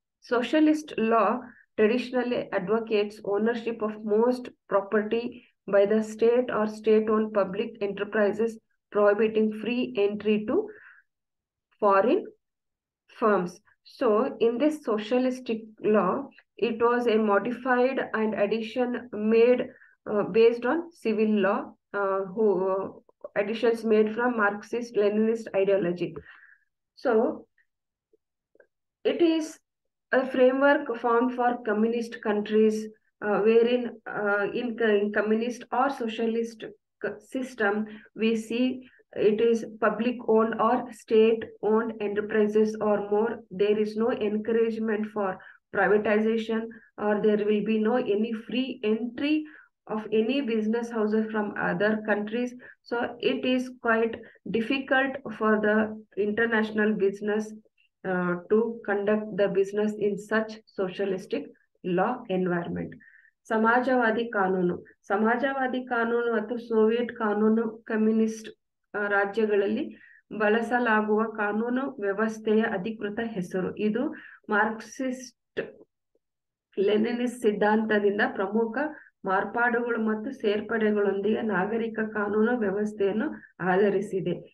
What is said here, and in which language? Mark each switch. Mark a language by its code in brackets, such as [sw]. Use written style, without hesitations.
[en] Socialist law traditionally advocates ownership of most property by the state or state own public enterprises, prohibiting free entry to foreign firms. So in this socialistic law it was a modified and addition made based on civil law who additions made from Marxist Leninist ideology. So it is a framework formed for communist countries wherein in communist or socialist system we see it is public owned or state owned enterprises or more. There is no encouragement for privatization or there will be no any free entry of any business houses from other countries. So it is quite difficult for the international business to conduct the business in such socialistic law environment. [kn] ಸಮಾಜವಾದಿ ಕಾನೂನು. ಸಮಾಜವಾದಿ ಕಾನೂನು ಮತ್ತು Soviet ಕಾನೂನು communist ರಾಜ್ಯಗಳಲ್ಲಿ ಬಳಸಲಾಗುವ ಕಾನೂನು ವ್ಯವಸ್ಥೆಯ ಅಧಿಕೃತ ಹೆಸರು. ಇದು ಮಾರ್ಕ್ಸಿಸ್ಟ್ ಲೆನಿನಿಸ್ಟ್ ಸಿದ್ಧಾಂತದಿಂದ ಪ್ರಮುಖ ಮಾರ್ಪಾಡುಗಳು ಮತ್ತು ಸೇರ್ಪಡೆಗಳೊಂದಿಗೆ ನಾಗರಿಕ ಕಾನೂನು ವ್ಯವಸ್ಥೆಯನ್ನು ಆಧರಿಸಿದೆ.